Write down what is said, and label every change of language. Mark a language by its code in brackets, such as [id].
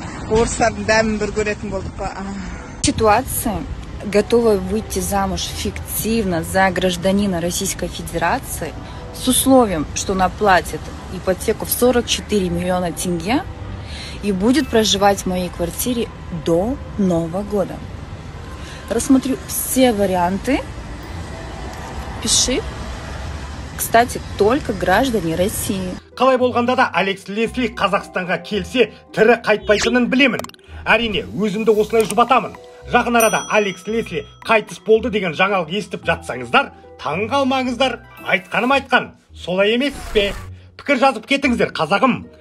[kk] Орыстардың дәмін бір көретін болдық па? [ru] Ситуация. Готова выйти замуж фиктивно за гражданина Российской Федерации с условием, что она платит ипотеку в 44 миллиона тенге и будет проживать в моей квартире до Нового года. Рассмотрю все варианты. Пиши. Кстати, только граждане России. [kk] Қалай болғанда да Алекс Лесли Қазақстанға келсе, тірі қайтпайтынын білемін. Әрине, өзімді осылай жұбатамын. Жақын арада Алекс Лесли қайтыс болды деген жаңалық естіп жатсаңыздар, таң қалмаңыздар. Айтқаным айтқан, солай емес пе? Пікір жазып кетіңіздер, қазағым.